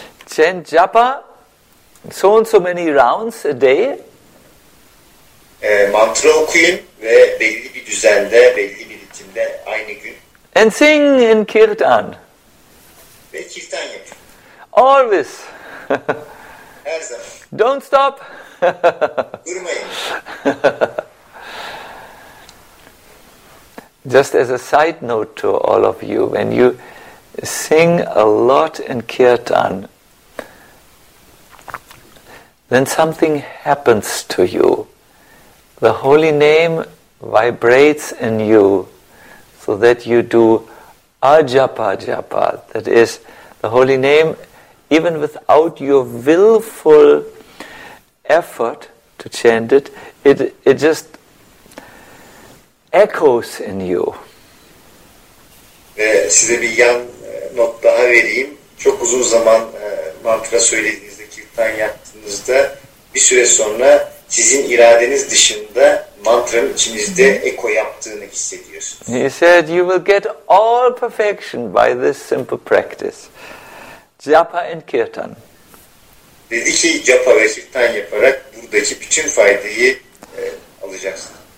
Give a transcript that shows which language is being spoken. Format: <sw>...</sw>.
<en>Chant japa so and so many rounds a day.</en> <tr>Mantra okuyun ve belli bir düzende, belli bir ritimde aynı gün.</tr> <en>And sing in kirtan. Always. Don't stop. Just as a side note to all of you, when you sing a lot in kirtan, then something happens to you. The holy name vibrates in you so that you do ajapa japa, that is, the holy name, even without your willful effort to chant it, it just echoes in you.</en> <tr>Ve size bir yan not daha vereyim. Çok uzun zaman mantra söylediğinizde, kirtan yaptığınızda bir süre sonra sizin iradeniz dışında mantranın içinizde eko yaptığını hissediyorsunuz.</tr> <en>He said you will get all perfection by this simple practice. Japa and kirtan.</en> <tr>Dedi ki japa ve kirtan yaparak buradaki bütün faydayı alacaksın.</tr>